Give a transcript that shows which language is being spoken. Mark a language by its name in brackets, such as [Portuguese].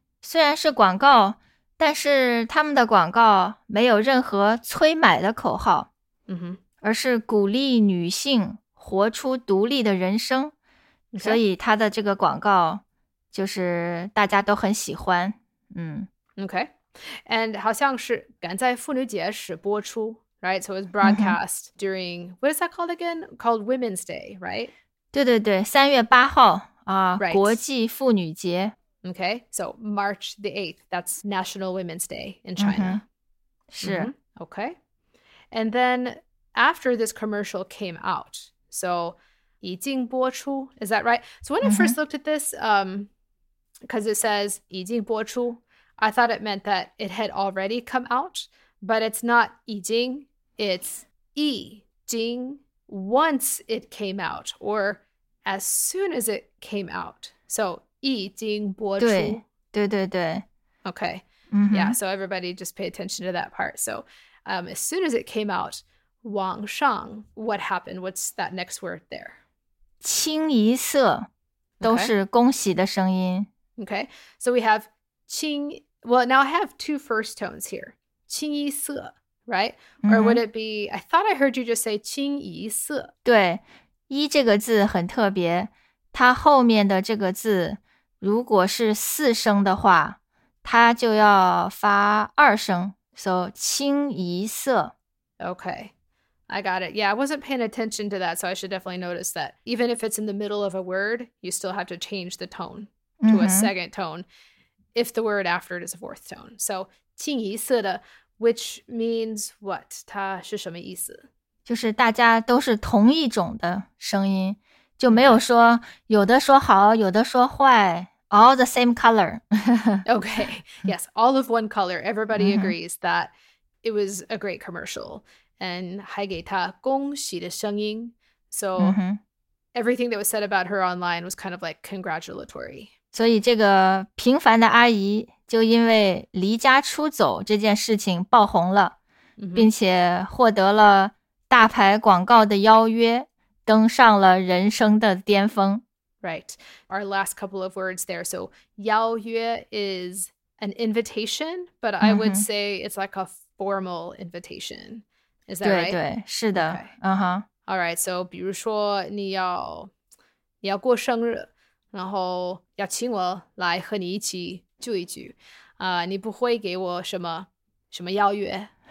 [Chinese] 虽然是广告但是他们的广告没有任何催买的口号、而是鼓励女性活出独立的人生、 [English] okay. [Chinese] 所以他的这个广告就是大家都很喜欢、 [English] OK And 好像是赶在妇女节时播出 Right, so it was broadcast during, what is that called again? Called Women's Day, right? [Chinese] 对对对3月8号、 [English] right. [Chinese] 国际妇女节。 [English] Okay, so March the 8th, that's National Women's Day in China. [Chinese] 是。 [English] Okay. And then after this commercial came out, so 已经播出, is that right? So when I first looked at this, because it says 已经播出, I thought it meant that it had already come out. But it's not 已经, it's 已经 once it came out, or as soon as it came out. So 已经播出。对对对对。 Okay.、Yeah, so everybody just pay attention to that part. So、as soon as it came out, 网上, what happened? What's that next word there? [Chinese] 清一色都是恭喜的声音。 [English] Okay, so we have 清, well, now I have two first tones here. 清一色 right? Or would it be, I thought I heard you just say 清一色。 [Chinese] 对,一这个字很特别,它后面的这个字,如果是四声的话, 它就要发二声 So 清一色 [English] Okay, I got it. Yeah, I wasn't paying attention to that, so I should definitely notice that. Even if it's in the middle of a word, you still have to change the tone to、mm-hmm. a second tone if the word after it is a fourth tone. So 清一色的 which means what? [Chinese] 它是什么意思？就是大家都是同一种的声音，就没有说有的说好，有的说坏。 [English] All the same color. Okay. Yes, all of one color. Everybody agrees that it was a great commercial. [Chinese] And 还给她恭喜的声音。 [English] So everything that was said about her online was kind of like congratulatory. [Chinese] 所以这个平凡的阿姨就因为离家出走这件事情爆红了，并且获得了大牌广告的邀约，登上了人生的巅峰。 [English] Right. Our last couple of words there. So, 邀约 is an invitation, but I would say it's like a formal invitation. Is that [Chinese] 对, [English] right? [Chinese] 对，是的。Okay. Uh-huh. [English] All right. [Chinese] So, 比如说你要过生日，然后要请我来和你一起聚一聚，你不会给我什么邀约。